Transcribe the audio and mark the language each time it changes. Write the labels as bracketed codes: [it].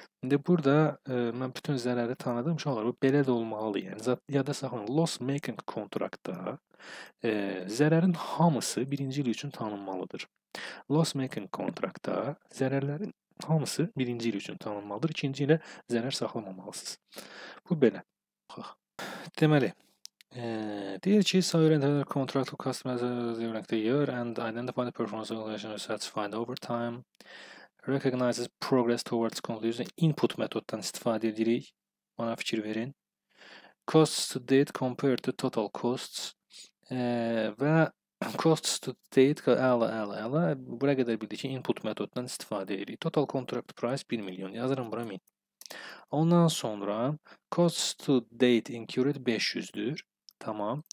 [az] İndi burada mən bütün zərəri tanıdığım uşaqlar, bu belə də olmalı. Yəni, yada saxlanan loss making kontraktda zərərin hamısı birinci il üçün tanınmalıdır. Loss making kontraktda zərərlərin hamısı birinci il üçün tanınmalıdır. İkinci ilə zərər saxlamamalısınız. Bu belə. Deməli, deyir ki, [en] salary and other contract to customers during the year and identify the performance evaluation is satisfied over time. Recognizes progress towards conclusion. [az] Input metoddan istifadə edirik. Bana fikir verin. [en] Costs to date compared to total costs. [az] Və [en] costs to date, [az] əla. Buraya qədər bildik ki, input metoddan istifadə edirik. [en] Total contract price [az] 1 milyon. Yazırım bura 1000. Ondan sonra [en] cost to date incurred [az] 500'dür. Tamam.